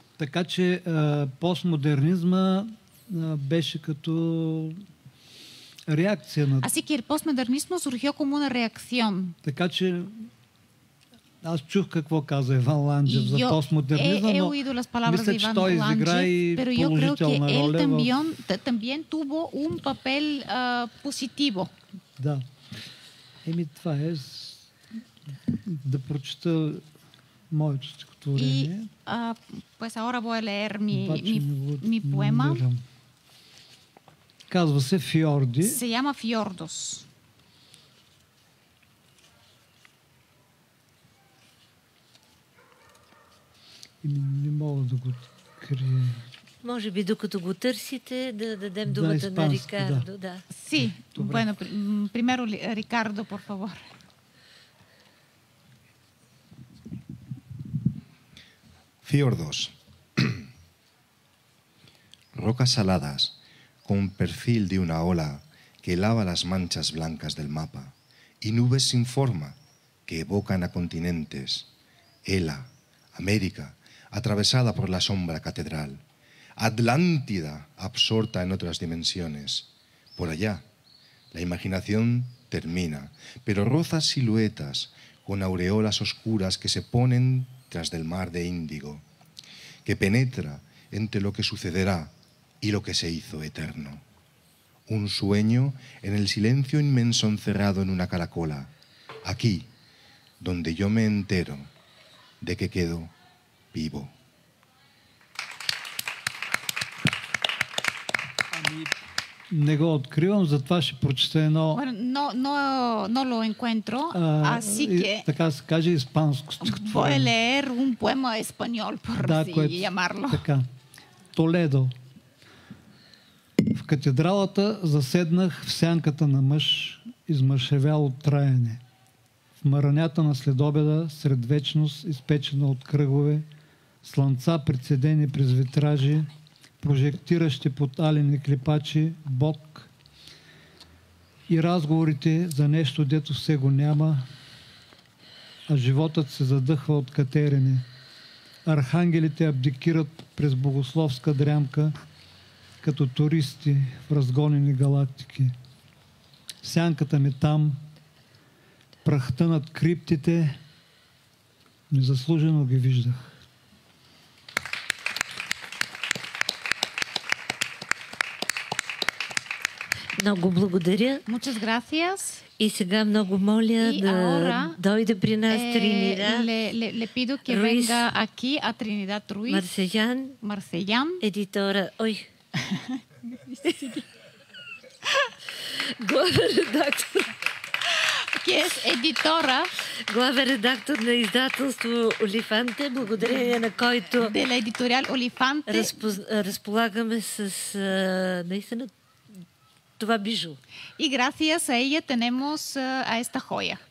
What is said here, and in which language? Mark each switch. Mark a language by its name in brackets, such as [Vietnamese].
[Bulgarian] Така че постмодернизма беше като реакция на... [Spanish] Así que el postmodernismo surgió como una reacción. [Bulgarian] Така че аз чух какво каза Иван Ланджев за постмодернизма, но мисля, че той изигра и положителна роля. [Spanish] Pero yo creo que él también tuvo un papel positivo. [Bulgarian] Да. Еми това е да прочета моето стихотворение. [Spanish] Pues ahora voy a leer mi poema. [Bulgarian] Казва се Фьорди. [Spanish] Се llama Fiordos. [Bulgarian] Не мога да го крия. Може би докато го търсите да дадем думата на Рикардо. Да. [Spanish] Си. Bueno, primero Рикардо, por favor. Fiordos. Rocas saladas. Con un perfil de una ola que lava las manchas blancas del mapa y nubes sin forma que evocan a continentes. Hela, América, atravesada por la sombra catedral. Atlántida, absorta en otras dimensiones. Por allá, la imaginación termina, pero roza siluetas con aureolas oscuras que se ponen tras del mar de Índigo, que penetra entre lo que sucederá y lo que se hizo eterno. Un sueño en el silencio inmenso encerrado en una caracola. Aquí, donde yo me entero de que quedo vivo. [Bulgarian] Не го откривам, затова ще прочета едно... [Spanish] No lo encuentro, así que... [Bulgarian] Така се каже испанско стихотворение. [Spanish] Voy a leer un poema español, por así llamarlo. [Bulgarian] Така. Толедо. В катедралата заседнах в сянката на мъж, измършевял от траяне. В мъранята на следобеда, сред вечност, изпечена от кръгове, слънца, прецедени през витражи, прожектиращи под алени клепачи, Бог и разговорите за нещо, дето все го няма, а животът се задъхва от катерене. Архангелите абдикират през богословска дрямка, като туристи в разгонени галактики. Сянката ми там, прахта над криптите, незаслужено ги виждах. Много благодаря. [Spanish] Muchas gracias. [Bulgarian] И сега много моля да дойде при нас Тринидад. [Spanish] Le pido que Ruiz, venga aquí a Trinidad Ruiz. Marcellán. Editora. Ой. [Bulgarian] Главен редактор. [Spanish] Ке е едитора. [Bulgarian] Главен редактор на издателство Олифанте, благодарение на който [Spanish] De la editorial Olifante. [Bulgarian] Разполагаме с наистина това бижу. [Spanish] И gracias a ella tenemos a esta joya.